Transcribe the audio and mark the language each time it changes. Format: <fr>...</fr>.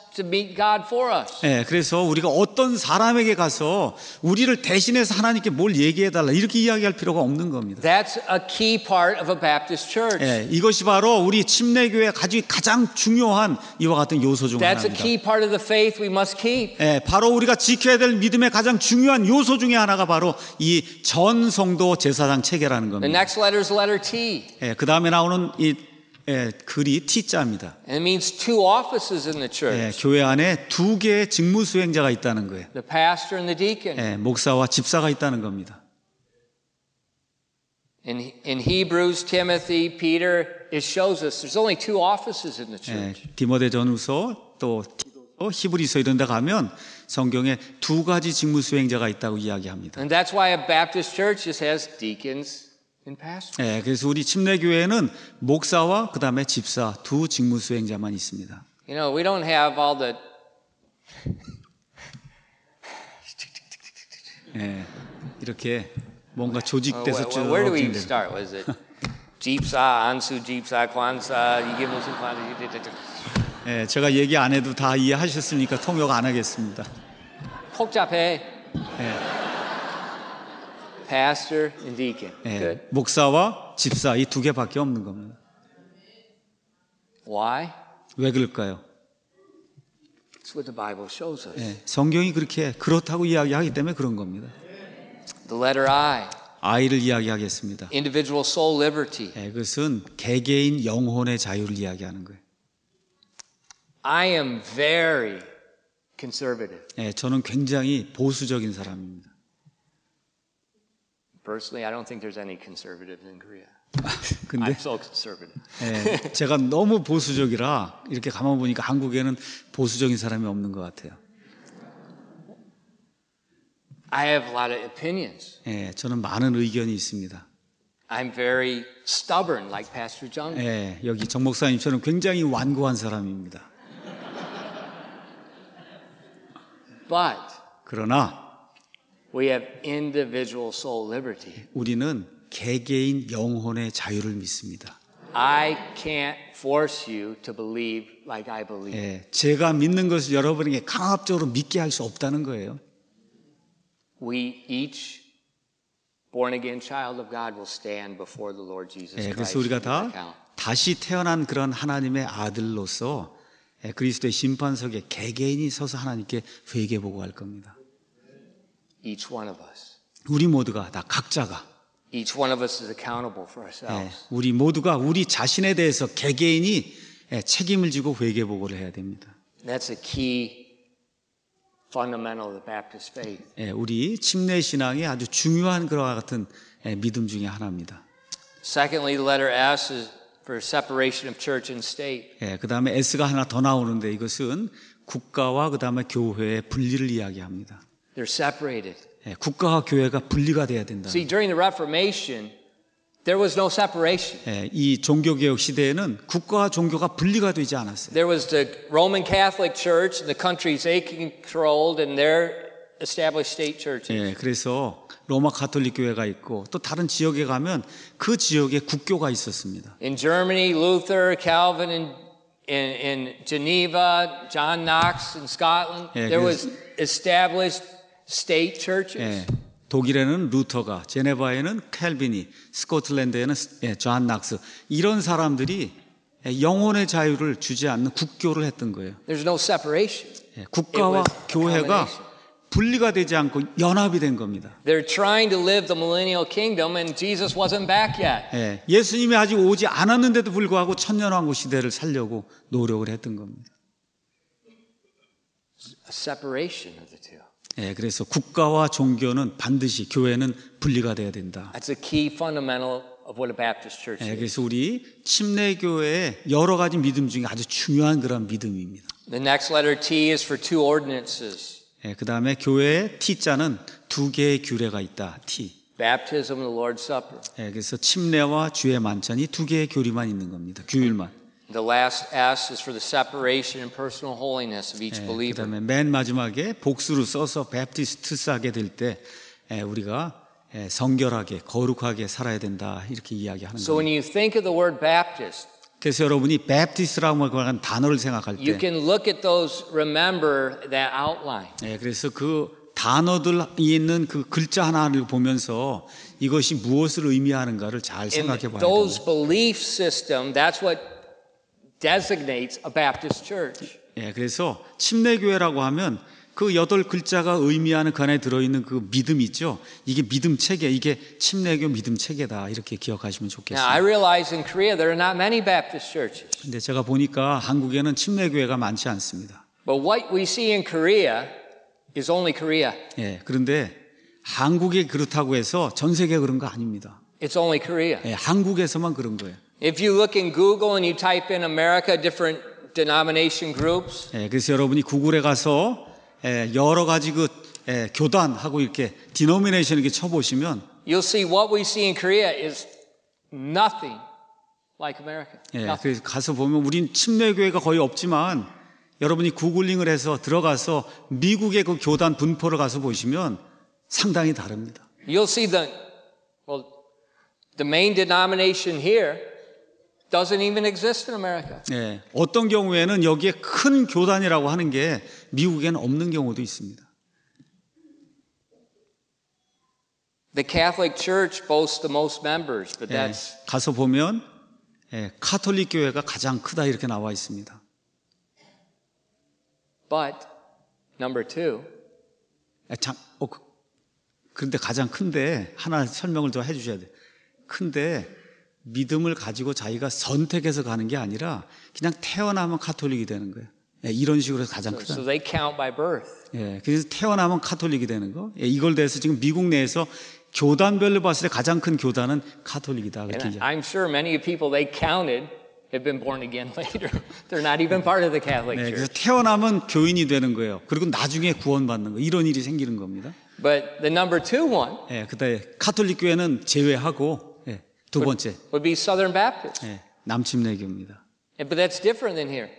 <en>To meet God for us.</en> <ko>예, 그래서 우리가 어떤 사람에게 가서 우리를 대신해서 하나님께 뭘 얘기해 달라 이렇게 이야기할 필요가 없는 겁니다.</ko> <en>That's a key part of a Baptist church.</en> <ko>예, 이것이 바로 우리 침례교회 가장 중요한 이와 같은 요소 중</ko> <en>That's</en> <ko>하나입니다.</ko> <en>That's a key part of the faith we must keep.</en> <ko>예, 바로 우리가 지켜야 될 믿음의 가장 중요한 요소 중에 하나가 바로 이 전성도 제사장 체계라는 겁니다.</ko> <en>The next letter is letter T.</en> <ko>예, 그 다음에 나오는 이 예, 글이 T자입니다.</ko> <en>It means two offices in the church.</en> <ko>예, 교회 안에 두 개의 직무 수행자가 있다는 거예요.</ko> <en>The pastor and the deacon.</en> <ko>예, 목사와 집사가 있다는 겁니다.</ko> <en>In Hebrews, Timothy, Peter, it shows us there's only two offices in the church.</en> <ko>네, 디모데전서 또 기도서 히브리서 이런 데 가면 성경에 두 가지 직무 수행자가 있다고 이야기합니다.</ko> <en>And that's why a Baptist church just has deacons and pastors.</en> <ko>네, 그래서 우리 침례 교회는 목사와 그다음에 집사 두 직무 수행자만 있습니다.</ko> <en>You know, we don't have all the</en> <ko>예, 네, 이렇게 뭔가 조직돼서</ko> <en>쭉. Where do we even start? Was it Jeepsa, Ansu Jeepsa, Kwansa, Yigimusu Kwansa?</en> <ko>예, 제가 얘기 안 해도 다 이해하셨으니까 통역 안 하겠습니다. 복잡해. 예. 네.</ko> <en>Pastor and deacon.</en> <ko>네, 목사와 집사 이 두 개밖에 없는 겁니다.</ko> <en>Why?</en> <ko>왜 그럴까요?</ko> <en>That's what the Bible shows us.</en> <ko>네, 성경이 그렇게 그렇다고 이야기하기 때문에 그런 겁니다.</ko> <en>The letter I.</en> <ko>I를 이야기하겠습니다.</ko> <en>Individual soul liberty.</en> <ko>네, 그것은 개개인 영혼의 자유를 이야기하는 거예요.</ko> <en>I am very conservative.</en> <ko>네, 저는 굉장히 보수적인 사람입니다.</ko> <en>Personally, I don't think there's any conservatives in Korea.</en> <ko>근데,</ko> <en>I'm so conservative.</en> <ko>네, 제가 너무 보수적이라 이렇게 가만 보니까 한국에는 보수적인 사람이 없는 것 같아요.</ko> <en>I have a lot of opinions.</en> <ko>네, 저는 많은 의견이 있습니다.</ko> <en>I'm very stubborn, like Pastor John.</en> <ko>네, 여기 정 목사님처럼 굉장히 완고한 사람입니다.</ko> <en>But</en> <ko>그러나</ko> <en>we have individual soul liberty.</en> <ko>우리는 개개인 영혼의 자유를 믿습니다.</ko> <en>I can't force you to believe like I believe.</en> <ko>예, 제가 믿는 것을 여러분에게 강압적으로 믿게 할 수 없다는 거예요.</ko> <en>We each born again child of God will stand before the Lord Jesus Christ.</en> <ko>예, 그래서 우리가 다 다시 태어난 그런 하나님의 아들로서 예, 그리스도의 심판석에 개개인이 서서 하나님께 회개 보고할 겁니다.</ko> <en>Each one of us.</en> <ko>우리 모두가 다 각자가</ko> <en>Each one of us is accountable for ourselves.</en> <ko>네, 우리 모두가 우리 자신에 대해서 개개인이 책임을 지고 회개 보고를 해야 됩니다.</ko> <en>That's a key fundamental of the Baptist faith.</en> <ko>네, 우리 침례 신앙의 아주 중요한 그와 같은 믿음 중에 하나입니다.</ko> <en>Secondly, the letter S is for separation of church and state.</en> <ko>네, 그 다음에 S가 하나 더 나오는데 이것은 국가와 그 다음에 교회의 분리를 이야기합니다.</ko> <en>They're separated.</en> <ko>예, 국가와 교회가 분리가 돼야 된다.</ko> <en>See, during the Reformation, there was no separation.</en> <ko>예, 이 종교개혁 시대에는 국가와 종교가 분리가 되지 않았어요.</ko> <en>There was the Roman Catholic Church, the countries they controlled, and their established state churches.</en> <ko>예, 그래서 로마 가톨릭 교회가 있고 또 다른 지역에 가면 그 지역의 국교가 있었습니다.</ko> <en>In Germany, Luther, Calvin, in Geneva, John Knox in Scotland, there was established State churches.</en> <ko>예, 독일에는 루터가, 제네바에는 켈빈이, 스코틀랜드에는 존 낙스 이런 사람들이 영혼의 자유를 주지 않는 국교를 했던 거예요.</ko> <en>There's no separation.</en> <ko>예, 국가와 교회가 분리가 되지 않고 연합이 된 겁니다.</ko> <en>They're trying to live the millennial kingdom, and Jesus wasn't back yet.</en> <ko>예, 예수님이 아직 오지 않았는데도 불구하고 천년왕국 시대를 살려고 노력을 했던 겁니다.</ko> <en>A separation of the two.</en> <ko>예, 그래서 국가와 종교는 반드시 교회는 분리가 돼야 된다.</ko> <en>That's a key fundamental of what a Baptist church is.</en> <ko>예, 그래서 우리 침례교회의 여러 가지 믿음 중에 아주 중요한 그런 믿음입니다.</ko> <en>The next letter T is for two ordinances.</en> <ko>예, 그다음에 교회의 T자는 두 개의 규례가 있다.</ko> <en>T. Baptism and the Lord's Supper.</en> <ko>예, 그래서 침례와 주의 만찬이 두 개의 교리만 있는 겁니다. 규율만.</ko> <en>The last S is for the separation and personal holiness of each believer.</en> <ko>그 다음에 맨 마지막에 복수로 써서 베프티스트스하게 될 때 우리가 성결하게 거룩하게 살아야 된다 이렇게 이야기하는 거예요.</ko> <en>So when you think of the word Baptist,</en> <ko>그래서 여러분이 Baptist라고 하는 단어를 생각할 때</ko> <en>you can look at those, remember that outline.</en> <ko>네, 그래서 그 단어들 있는 그 글자 하나를 보면서 이것이 무엇을 의미하는가를 잘 생각해 봐야 돼요.</ko> <en>Those belief system, that's what designates a Baptist church.</en> <ko>예, 그래서 침례교회라고 하면 그 여덟 글자가 의미하는 그 안에 들어 있는 그 믿음 있죠. 이게 믿음 체계, 이게 침례교 믿음 체계다. 이렇게 기억하시면 좋겠어요.</ko> <en>Now, I realize in Korea there are not many Baptist churches.</en> <ko>근데 제가 보니까 한국에는 침례교회가 많지 않습니다.</ko> <en>But what we see in Korea is only Korea.</en> <ko>예, 그런데 한국이 그렇다고 해서 전 세계 그런 거 아닙니다.</ko> <en>It's only Korea.</en> <ko>예, 한국에서만 그런 거예요.</ko> <en>If you look in Google and you type in America different denomination groups.</en> <ko>예, 그래서 여러분이 구글에 가서 예, 여러 가지 그 예, 교단하고 이렇게 denomination 이렇게 쳐 보시면</ko> <en>you'll see what we see in Korea is nothing like America.</en> <ko>예, 그래서 가서 보면 우린 침례교회가 거의 없지만 여러분이 구글링을 해서 들어가서 미국의 그 교단 분포를 가서 보시면 상당히 다릅니다.</ko> <en>You'll see the well the main denomination here doesn't even exist in America.</en> <ko>예. 어떤 경우에는 여기에 큰 교단이라고 하는 게 미국에는 없는 경우도 있습니다.</ko> <en>The Catholic Church boasts the most members, but that's</en> <ko>예, 가서 보면 예, 가톨릭 교회가 가장 크다 이렇게 나와 있습니다.</ko> <en>But number two.</en> <ko>예, 참, 어, 그런데 가장 큰데 하나 설명을 더 해 주셔야 돼. 큰데 믿음을 가지고 자기가 선택해서 가는 게 아니라 그냥 태어나면 가톨릭이 되는 거예요. 예, 이런 식으로 가장 크다.</ko> <en>So they count by birth.</en> <ko>예, 그래서 태어나면 가톨릭이 되는 거. 예, 이걸 대해서 지금 미국 내에서 교단별로 봤을 때 가장 큰 교단은 가톨릭이다.</ko> <en>I'm sure many people they counted have been born again later. They're not even part of the Catholic Church.</en> <ko>네, 그래서 태어나면 교인이 되는 거예요. 그리고 나중에 구원받는 거 이런 일이 생기는 겁니다.</ko> <en>But the number two one.</en> <ko>예, 그다음에 가톨릭 교회는 제외하고 예, 두 번째.</ko> <en>Would be Southern Baptist.</en> <ko>예, 남침례교입니다.</ko> <en>Yeah, but that's different than here.</en>